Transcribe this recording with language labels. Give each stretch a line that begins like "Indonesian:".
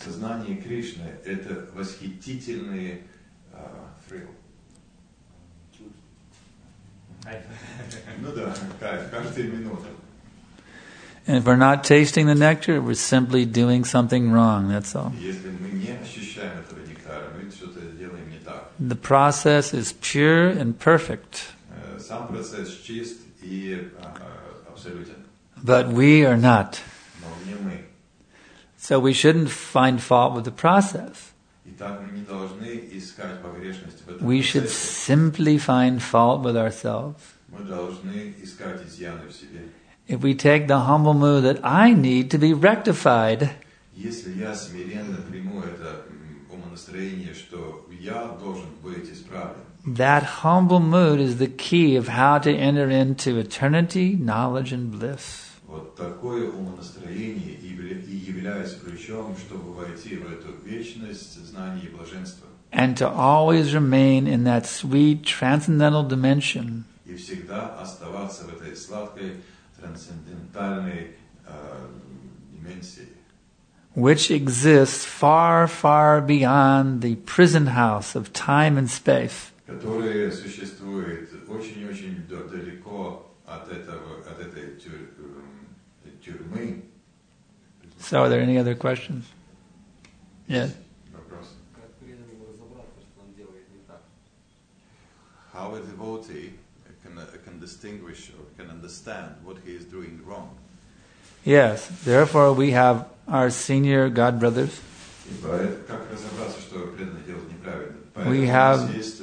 Russian: Сознание Кришны – это восхитительный thrill. Ну да, кайф, каждая минута.
English: And if we're not tasting the nectar, we're simply doing something wrong, that's all.
Russian: Если мы не ощущаем этого нектара, мы что-то делаем не так.
English: The process is pure and perfect.
Russian: Сам процесс чист и абсолютен.
English: But we are not.
Russian: Но не мы.
English: So we shouldn't find fault with the process.
Russian: Итак, мы не должны искать погрешность в этом процессе.
English: We should simply find fault with ourselves.
Russian: Мы должны искать изъяны в себе.
English: If we take the humble mood that I need to be rectified,
Russian: если я смиренно приму это умонастроение, что я должен быть исправлен,
English: that humble mood is the key of how to enter into eternity, knowledge, and bliss.
Russian: Вот такое умонастроение и является ключом, чтобы войти в эту вечность, знание и блаженство.
English: And to always remain in that sweet transcendental dimension.
Russian: И всегда оставаться в этой сладкой трансцендентальной dimension.
English: Which exists far, far beyond the prison house of time and space.
Russian: Которые существуют очень-очень далеко от этого, от этой тюрьмы.
English: So, are there any other questions? Yes.
Russian: Вопрос. Как преданному разобраться, что он делает не так?
English: How a devotee can distinguish or can understand what he is doing wrong? Yes. Therefore, we have our senior God brothers.
Russian: Как разобраться, что преданный делает неправильно?